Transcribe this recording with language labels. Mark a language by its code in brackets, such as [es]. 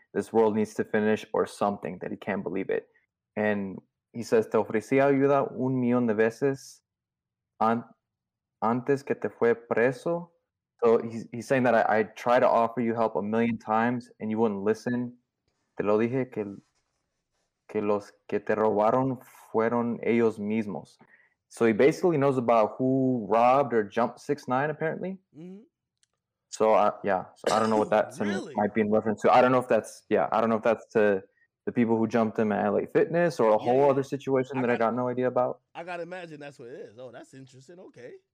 [en] This world needs to finish or something, that he can't believe it. And he says, [es] te ofrecí ayuda un millón de veces antes que te fue preso. [en] So he's saying that I tried to offer you help a million times and you wouldn't listen. [es] Te lo dije que los que te robaron fueron ellos mismos. [en] So he basically knows about who robbed or jumped 6ix9ine, apparently. Mm-hmm. So, so I don't know what that might be in reference to. I don't know if that's, I don't know if that's to the people who jumped him at LA Fitness or a whole other situation that I got no idea about. I gotta imagine that's what it is. Oh, that's interesting. Okay.